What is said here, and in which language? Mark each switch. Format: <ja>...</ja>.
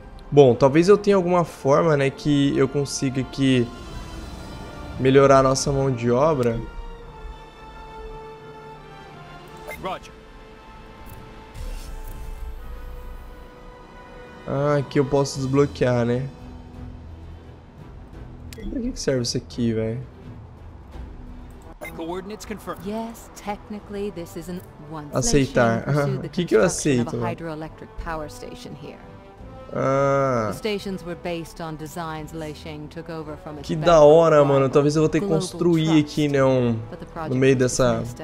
<pt>Bom, talvez eu tenha alguma forma, né, que eu consiga aqui melhorar a nossa mão de obra.</pt> <en>Roger.</en> <pt>Ah, aqui eu posso desbloquear, né? Pra que serve isso aqui, velho?</pt> <en>Coordinates confirm. Yes, technically this is an one.</en> <pt>Aceitar. Que eu aceito?</pt> <en>Hydroelectric power station here. The stations were based on designs Lei Sheng took over from.</en> <pt>Que da hora, mano. Talvez eu vou ter que construir aqui, né, no meio dessa.</pt>